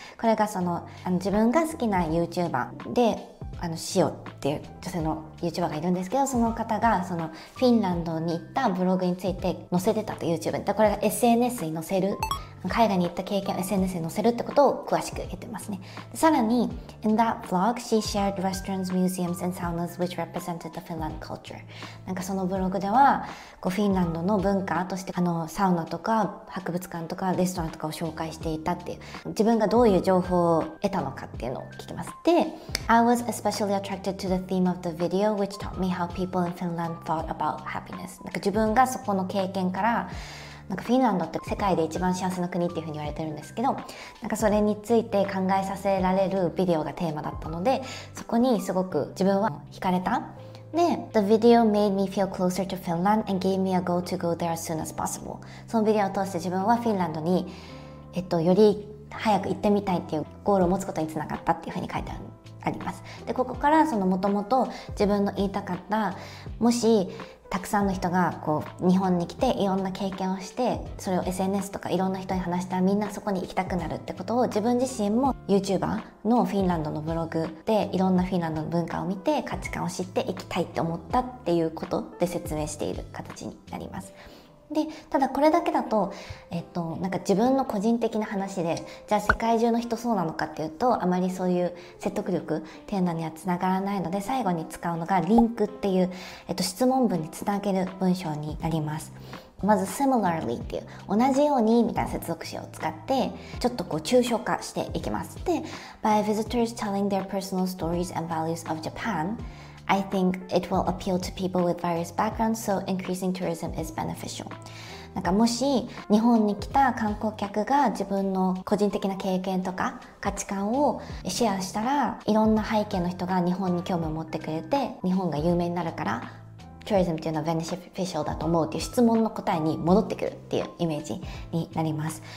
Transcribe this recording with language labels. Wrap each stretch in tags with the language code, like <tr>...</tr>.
<ja>これがその、自分が好きな YouTuber で、Shio っていう女性の YouTuber がいるんですけど、その方がそのフィンランドに行ったブログについて載せてたと YouTube で、これが SNS に載せる、海外に行った経験を SNS に載せるってことを詳しく言ってますね。</ja> <en>さらに In that vlog, she shared restaurants, museums, and saunas which represented the Finland culture.</en> <ja>なんかそのブログではこうフィンランドの文化としてサウナとか博物館とかレストランとかを紹介していたっていう、自分がどういう情報を得たのかっていうのを聞きます。</ja> <en>で I was especially attracted to the theme of the video which taught me how people in Finland thought about happiness.</en> <ja>なんか自分がそこの経験からなんかフィンランドって世界で一番幸せな国っていうふうに言われてるんですけど、なんかそれについて考えさせられるビデオがテーマだったので、そこにすごく自分は惹かれた。</ja> <en>で The video made me feel closer to Finland and gave me a goal to go there as soon as possible.</en> <ja>そのビデオを通して自分はフィンランドに、より早く行ってみたいっていうゴールを持つことにつながったっていうふうに書いてあります。でここからそのもともと自分の言いたかった、もしたくさんの人がこう日本に来ていろんな経験をして、それを SNS とかいろんな人に話したらみんなそこに行きたくなるってことを、自分自身も YouTuber のフィンランドのブログでいろんなフィンランドの文化を見て価値観を知って行きたいって思ったっていうことで説明している形になります。でただこれだけだと、なんか自分の個人的な話で、じゃあ世界中の人そうなのかっていうと、あまりそういう説得力っていうのにはつながらないので、最後に使うのがリンクっていう、質問文につなげる文章になります。まず similarly っていう、同じようにみたいな接続詞を使ってちょっとこう抽象化していきます。</ja> <en>で By visitors telling their personal stories and values of JapanI think it will appeal to people with various backgrounds, so increasing tourism is beneficial.</en> <ja>なんかもし日本に来た観光客が自分の個人的な経験とか価値観をシェアしたら、いろんな背景の人が日本に興味を持ってくれて、日本が有名になるから、tourism っていうのは beneficial だと思うっていう質問の答えに戻ってくるっていうイメージになります。</ja>